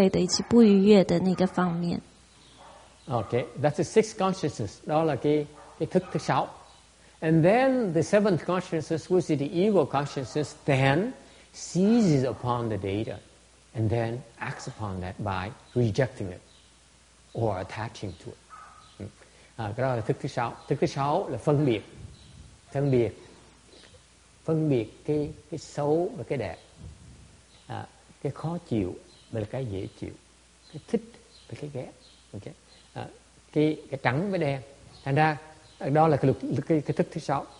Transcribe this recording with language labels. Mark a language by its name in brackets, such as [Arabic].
[Chinese] 所以一般人都尤其喜欢去注意负面的新闻，以及就是当他们看一件事情的时候，他们都会看到那个不对的以及不愉悦的那个方面。 [English] OK, that's the sixth consciousness, [Chinese] 那个 [Vietnamese] thức thứ sáu. [English] And then the seventh consciousness, which is the ego consciousness, then seizes upon the data and then acts upon that by rejecting it or attaching to it. [Vietnamese] Cái đó là thức thứ sáu là phân biệt cái xấu và cái đẹp, cái khó chịu và cái dễ chịu, cái thích và cái ghét, okay? Cái trắng với đen. Thành ra đó là cái thức thứ sáu.